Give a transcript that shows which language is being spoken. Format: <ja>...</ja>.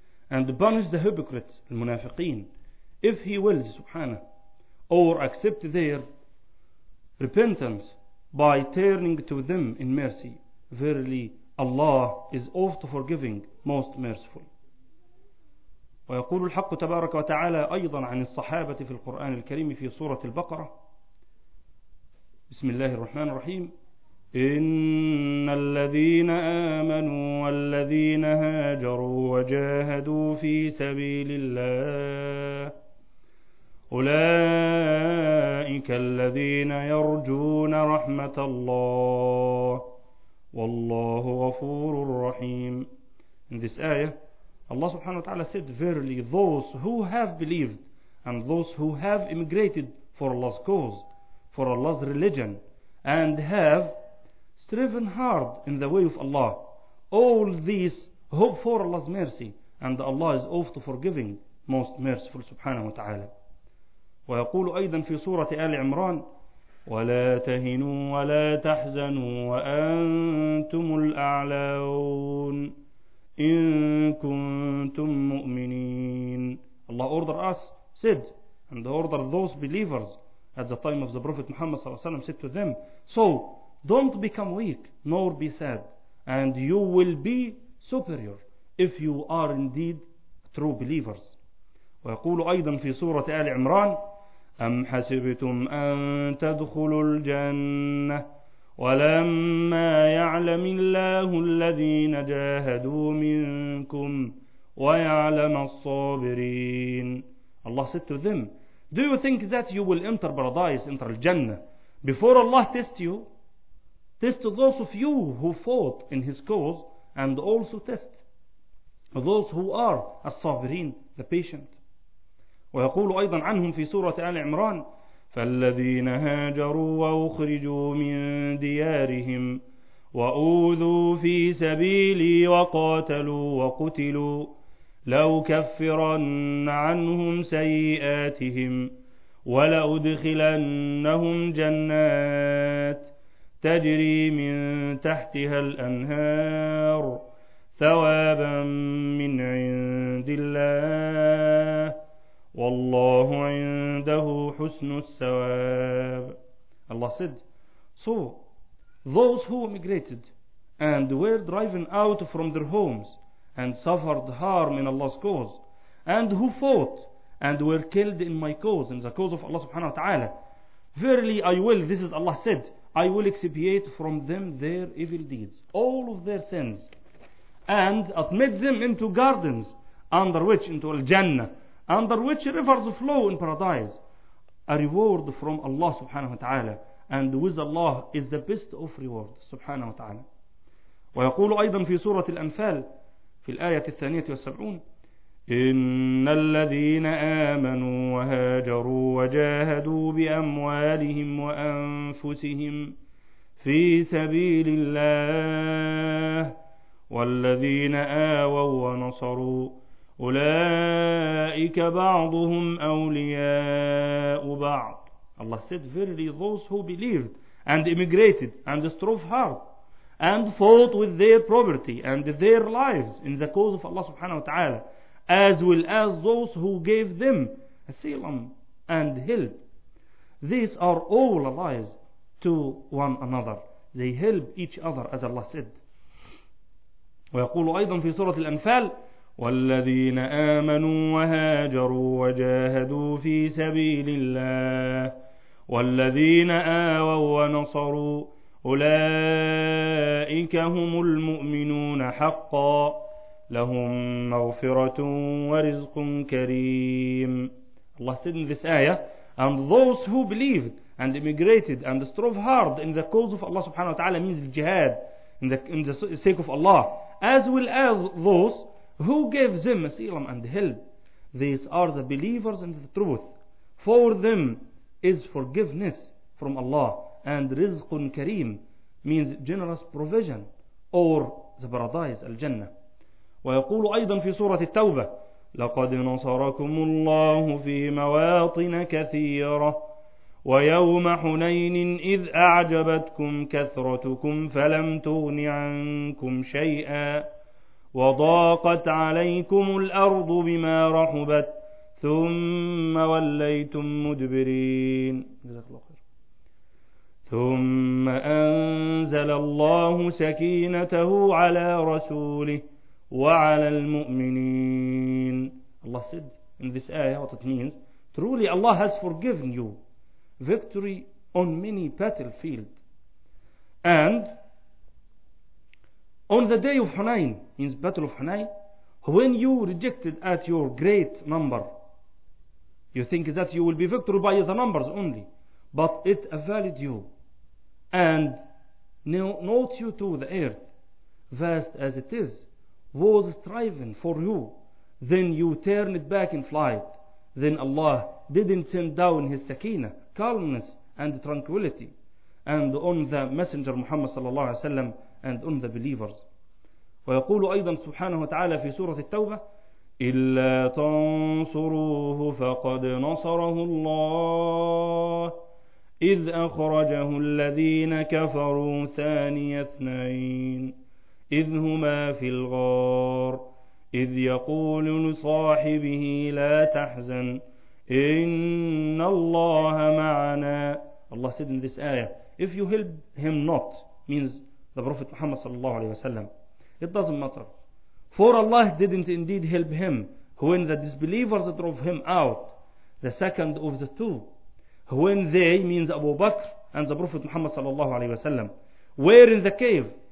<en>and punish the hypocrites, the munafiqeen, if he wills subhanahu, or accept their repentance by turning to them in mercy. Verily Allah is oft forgiving, most merciful.</en> <ar>ويقول الحق تبارك وتعالى أيضا عن الصحابة في القرآن الكريم في سورة البقرة: بسم الله الرحمن الرحيم. إن الذين آمنوا والذين هاجروا وجاهدوا في سبيل الله أولئك الذين يرجون رحمة الله والله غفور رحيم.</ar> <en>In this ayah, Allah subhanahu wa ta'ala said, verily those who have believed and those who have immigrated for Allah's cause, for Allah's religion, and have striven hard in the way of Allah, all these hope for Allah's mercy, and Allah is oft forgiving, most merciful subhanahu wa ta'ala.</en> <ar>ويقول أيضا في سورة آل عمران: ولا تهنوا ولا تحزنوا وأنتم الأعلون إن كنتم مؤمنين.</ar> <en>Allah ordered us, said, and ordered those believers at the time of the Prophet Muhammad</en> <ar>صلى الله عليه وسلم,</ar> <en>said to them, so don't become weak nor be sad, and you will be superior if you are indeed true believers.</en> <ar>ويقول أيضا في سورة آل عمران: أم حسبتم أن تدخلوا الجنة ولما يعلم الله الذين جاهدوا منكم ويعلم الصابرين.</ar> <en>Allah said to them, do you think that you will enter paradise, enter Jannah, before Allah tests you? Test those of you who fought in his cause, and also test those who are as-sabirin, the patient.</en> <ar>ويقول أيضا عنهم في سورة آل عمران: فالذين هاجروا وأخرجوا من ديارهم وأوذوا في سبيلي وقاتلوا وقتلوا لأكفرن عنهم سيئاتهم ولأدخلنهم جنات تجري من تحتها الأنهار ثوابا من عند الله والله عنده حسن الثواب.</ar> <en>الله said, so those who migrated and were driven out from their homes and suffered harm in Allah's cause, and who fought and were killed in my cause, in the cause of Allah subhanahu wa ta'ala, verily I will, this is Allah said, I will expiate from them their evil deeds, all of their sins, and admit them into gardens, under which, into al-Jannah, under which rivers flow in paradise, a reward from Allah subhanahu wa ta'ala, and with Allah is the best of reward, subhanahu wa ta'ala.</en> <ar>ويقول أيضا في سورة الأنفال في الآية 72, إن الذين آمنوا وهاجروا وجاهدوا بأموالهم وأنفسهم في سبيل الله والذين آووا ونصروا أولئك بعضهم أولياء بعض.</ar> <en>Allah said, verily those who believed and immigrated and strove hard and fought with their property and their lives in the cause of Allah subhanahu wa ta'ala, as well as those who gave them asylum and help, these are all allies to one another. They help each other, as Allah said.</en> <ar>ويقول أيضا في سورة الأنفال, والذين آمنوا وهاجروا وجاهدوا في سبيل الله والذين آووا ونصروا أولئك هم المؤمنون حقا لهم مغفرة ورزق كريم.</ar> <en>Allah said in this ayah, and those who believed and immigrated and strove hard in the cause of Allah subhanahu wa ta'ala, means the jihad in the sake of Allah, as well as those who gave them asylum and help, these are the believers in the truth. For them is forgiveness from Allah, and rizqun kareem means generous provision or the paradise, al-jannah.</en> <ar>ويقول أيضا في سورة التوبة, لقد نصركم الله في مواطن كثيرة ويوم حنين إذ أعجبتكم كثرتكم فلم تغن عنكم شيئا وضاقت عليكم الأرض بما رحبت ثم وليتم مدبرين. ثم أنزل الله سكينته على رسوله وعلى المؤمنين.</ar> <en>Allah said in this ayah what it means, truly Allah has forgiven you victory on many battlefield, and on the day of Hunayn, means battle of Hunayn, when you rejected at your great number, you think that you will be victory by the numbers only, but it availed you and knows you to the earth, vast as it is, was striving for you, then you turn it back in flight, then Allah didn't send down his sakina, calmness and tranquility, and on the messenger Muhammad sallallahu alaihi wasallam, and on the believers.</en> <ar>ويقول أيضا سبحانه وتعالى في سورة التوبة, إلا تنصروه فقد نصره الله إذ أخرجه الذين كفروا ثاني اثنين إذ هما في الغار إذ يقول لصاحبه لا تحزن إن الله معنا.</ar> <en>Allah said in this ayah, if you help him not, means the Prophet Muhammad sallallahu alayhi wa sallam, it doesn't matter, for Allah didn't indeed help him when the disbelievers drove him out, the second of the two, when they, means Abu Bakr and the Prophet Muhammad sallallahu alayhi wa sallam, were in the cave.</en>